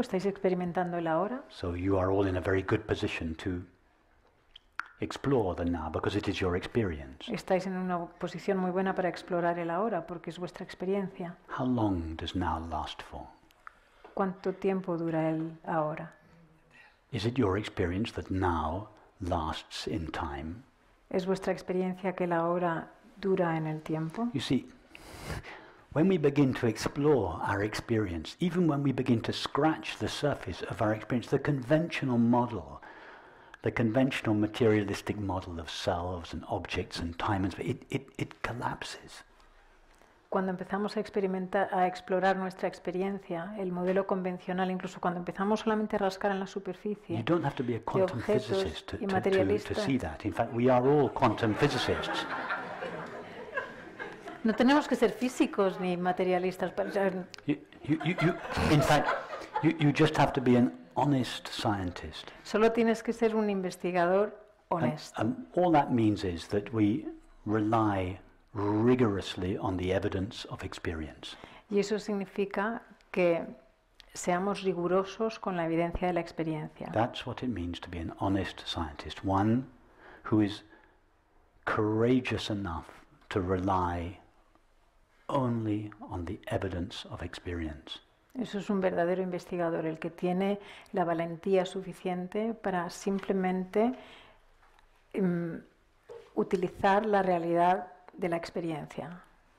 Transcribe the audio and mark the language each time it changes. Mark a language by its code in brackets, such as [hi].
[es] ¿Estáis experimentando el ahora? [en] So you are all in a very good position to explore the now because it is your experience. [es] Estáis en una posición muy buena para explorar el ahora porque es vuestra experiencia. [en] How long does now last for? [es] ¿Cuánto tiempo dura el ahora? [en] Is it your experience that now lasts in time? [es] ¿Es vuestra experiencia que el ahora dura en el tiempo? [en] You see, when we begin to explore our experience, even when we begin to scratch the surface of our experience, the conventional materialistic model of selves and objects and time and space, it collapses. [es] Cuando empezamos a explorar nuestra experiencia, el modelo convencional, incluso cuando empezamos solamente a rascar en la superficie, [en] you don't have to be a quantum physicist to see that. In fact, we are all quantum physicists. [es] No tenemos que ser físicos ni materialistas para saber. [en] You just have to be an honest scientist. [es] Solo tienes que ser un investigador honesto. [en] And all that means is that we rely rigorously on the evidence of experience. [es] Y eso significa que seamos rigurosos con la evidencia de la experiencia. [en] That's what it means to be an honest scientist, one who is courageous enough to rely only on the evidence of experience. [es] Eso es un verdadero investigador, el que tiene la valentía suficiente para simplemente utilizar la realidad de la experiencia.